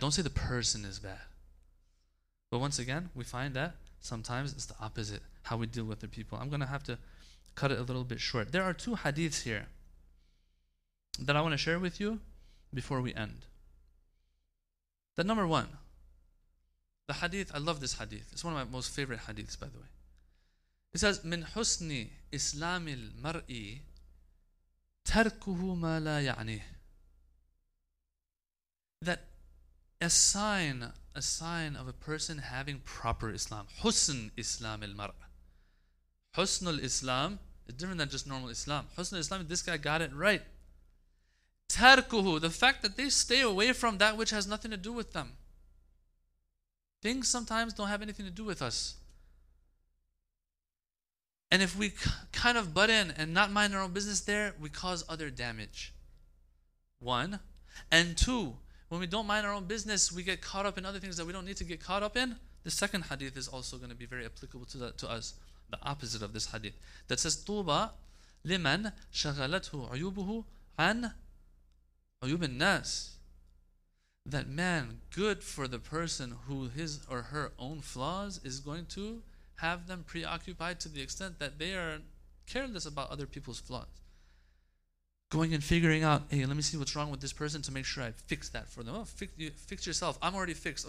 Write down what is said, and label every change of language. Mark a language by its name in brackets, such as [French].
[English] Don't say the person is bad. But once again, we find that sometimes it's the opposite, how we deal with the people. I'm going to have to cut it a little bit short. There are 2 hadiths here that I want to share with you before we end. The number one, the hadith, I love this hadith. It's one of my most favorite hadiths, by the way. It says, [Arabic] من حسن إسلام المرء تركه ما لا يعنيه. [English] That a sign of a person having proper Islam, [Arabic] حسن إسلام المرء. حسن الإسلام [English] is different than just normal Islam. حسن الإسلام, this guy got it right. [Arabic] تركه, [English] the fact that they stay away from that which has nothing to do with them. Things sometimes don't have anything to do with us. And if we kind of butt in and not mind our own business there, we cause other damage. 1. And 2, when we don't mind our own business, we get caught up in other things that we don't need to get caught up in. The second hadith is also going to be very applicable to us. The opposite of this hadith. That says, [Arabic] طُوبَ لِمَنْ شَغَلَتْهُ عُيُوبُهُ عَنْ عُيُوبِ النَّاسِ. [English] That man, good for the person who his or her own flaws is going to have them preoccupied to the extent that they are careless about other people's flaws. Going and figuring out, hey, let me see what's wrong with this person to make sure I fix that for them. Oh, fix yourself. I'm already fixed.